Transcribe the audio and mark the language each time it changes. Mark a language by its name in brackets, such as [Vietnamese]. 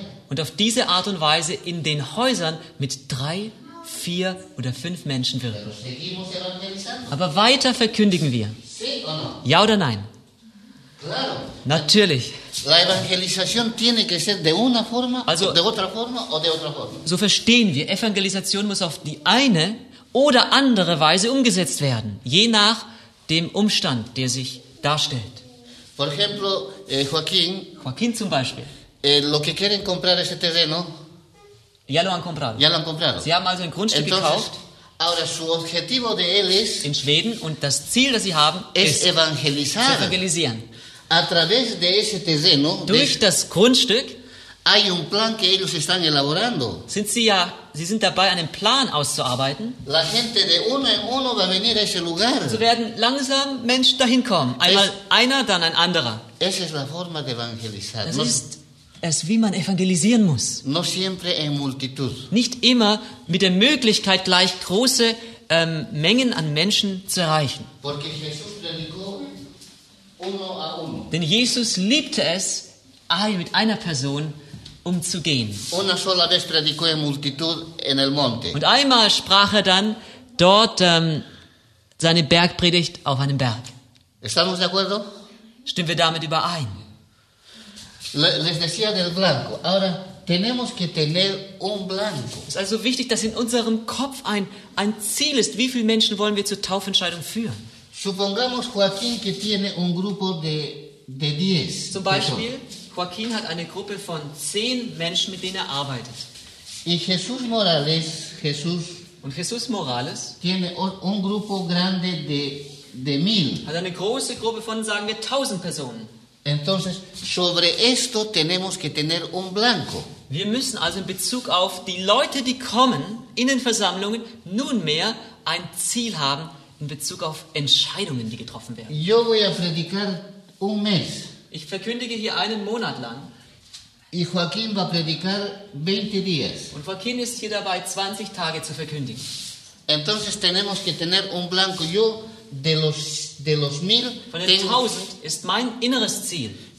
[German] Und auf diese Art und Weise in den Häusern mit 3, 4 oder 5 Menschen wirken. Aber weiter verkündigen wir. Ja oder nein? Natürlich. [Spanish] La evangelización tiene que ser de una forma, also, de otra forma o de otra forma. [German] So verstehen wir, Evangelisation muss auf die eine oder andere Weise umgesetzt werden, je nach dem Umstand, der sich darstellt. [Spanish] Por ejemplo, Joaquín. [German] Joaquín zum Beispiel. [Spanish] Lo que quieren comprar ese terreno. Ya lo han comprado. Ya lo han comprado. [German] Sie haben also ein Grundstück [Spanish] Entonces, [German] gekauft. [Spanish] Ahora su objetivo de él es. [German] In Schweden und das Ziel, das sie haben, ist [Spanish] evangelizar. [German] Zu evangelisieren. [Spanish] A través de ese terreno. [German] Durch das Grundstück. [Spanish] Hay un plan que ellos están elaborando. [German] Sind sie ja. Sie sind dabei, einen Plan auszuarbeiten. [Spanish] La gente de uno en uno va a venir a ese lugar. [German] So werden langsam Menschen dahin kommen. Einmal einer, dann ein anderer. [Spanish] Esa es la forma de evangelizar. [German] Das ist es, wie man evangelisieren muss. [Spanish] No siempre en multitud. [German] Nicht immer mit der Möglichkeit, gleich große Mengen an Menschen zu erreichen. [Spanish] Porque Jesús predicó uno a uno. [German] Denn Jesus liebte es, mit einer Person umzugehen. [Spanish] Una sola vez predicó en multitud en el monte. [German] Und einmal sprach er dann dort seine Bergpredigt auf einem Berg. [Spanish] Estamos de acuerdo? [German] Stimmen wir damit überein? [Spanish] Les decía del blanco. Ahora tenemos que tener un blanco. [German] Es ist also wichtig, dass in unserem Kopf ein Ziel ist, wie viele Menschen wollen wir zur Taufentscheidung führen. [Spanish] Supongamos Joaquín que tiene un grupo de 10. [German] Zum Beispiel, Joaquín hat eine Gruppe von 10 Menschen, mit denen er arbeitet. [Spanish] Y Jesús Morales, Jesús, [German] und Jesús Morales [Spanish] tiene un grupo grande de 1000. [German] Hat eine große Gruppe von, sagen wir, 1000 Personen. [Spanish] Entonces, sobre esto tenemos que tener un blanco. [German] Wir müssen also in Bezug auf die Leute, die kommen in den Versammlungen, nunmehr ein Ziel haben in Bezug auf Entscheidungen, die getroffen werden. [Spanish] Yo voy a predicar un mes. [German] Ich verkündige hier einen Monat lang. [Spanish] Y Joaquín va a predicar 20 días. [German] Und Joaquín ist hier dabei, 20 Tage zu verkündigen. [Spanish] Entonces tenemos que tener un blanco. Yo de los mil, [German] von den 1000 ist mein inneres Ziel.